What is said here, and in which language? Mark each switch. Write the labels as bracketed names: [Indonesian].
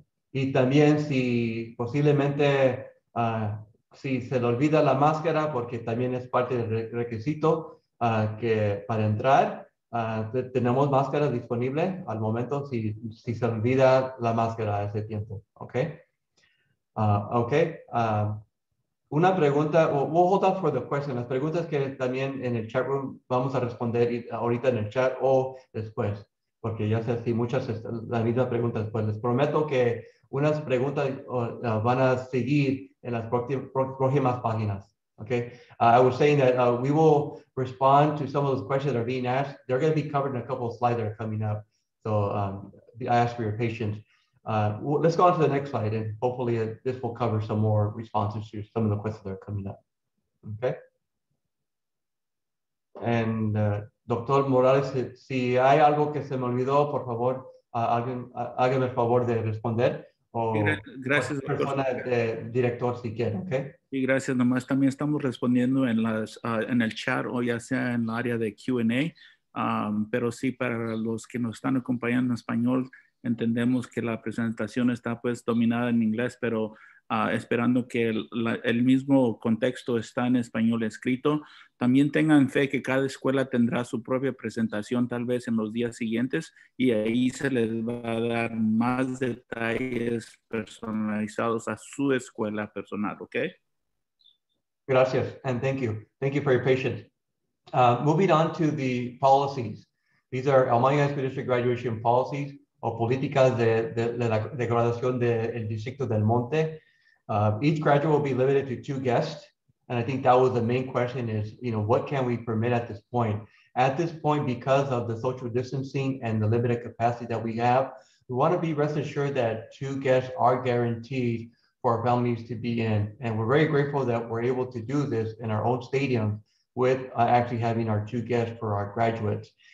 [Spanish] Y también si posiblemente, si se le olvida la máscara, porque también es parte del requisito que para entrar, tenemos máscara disponible al momento si se olvida la máscara a ese tiempo, ¿ok? Una pregunta, [English] we'll hold up for the question. [Spanish] Las preguntas que también en el chat room vamos a responder ahorita en el chat o después, porque ya sé si muchas las mismas preguntas, pues les prometo que unas preguntas van a seguir en las próximas páginas. [English] Okay, I was saying that we will respond to some of those questions that are being asked. They're going to be covered in a couple of slides that are coming up. So I ask for your patience. Let's go on to the next slide, and hopefully this will cover some more responses to some of the questions that are coming up. Okay. And Dr. [Spanish] Morales, si hay algo que se me olvidó, por favor, hágame el favor de responder. Gracias, persona director, si quiere, okay. Sí, gracias. Nomás también estamos respondiendo en las en el chat o ya sea en el área de Q&A, pero sí para los que nos están acompañando en español. Entendemos que la presentación está pues dominada en inglés, pero esperando que el mismo contexto está en español escrito. También tengan fe que cada escuela tendrá su propia presentación tal vez en los días siguientes y ahí se les va a dar más detalles personalizados a su escuela personal, ¿ok? Gracias [English] and thank you. Thank you for your patience. Moving on to the policies. These are EMUHSD High School District graduation policies. [Spanish] O políticas de graduación del Distrito del Monte. [English] Each graduate will be limited to 2 guests. And I think that was the main question is, you know, what can we permit at this point? At this point, because of the social distancing and the limited capacity that we have, we want to be rest assured that 2 guests are guaranteed for our families to be in. And we're very grateful that we're able to do this in our own stadium with actually having our 2 guests for our graduates.